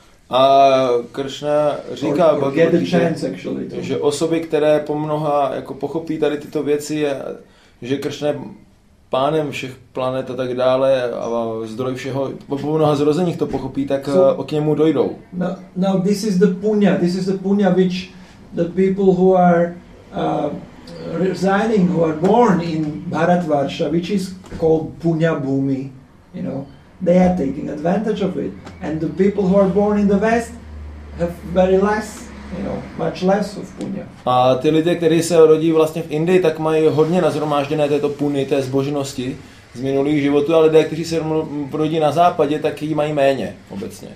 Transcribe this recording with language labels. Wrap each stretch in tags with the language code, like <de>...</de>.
<cs>A Krishna říká, že osoby, které po mnoha jako pochopí tady tyto věci, že Krishna pánem všech planet a tak dále a zdroj všeho, po mnoha zrozeních to pochopí, tak k němu dojdou.</cs> <en>Now this is the punya which the people who are residing, who are born in Bharatvarsha, which is called Punya Bhumi, you know, they are taking advantage of it. And the people who are born in the West have very less, you know, much less of Punya.</en> <cs>A ty lidé, kteří se rodí vlastně v Indii, tak mají hodně nazhromážděné této puny, té zbožnosti z minulých životů, a lidé, kteří se rodí na západě, tak jí mají méně obecně.</cs>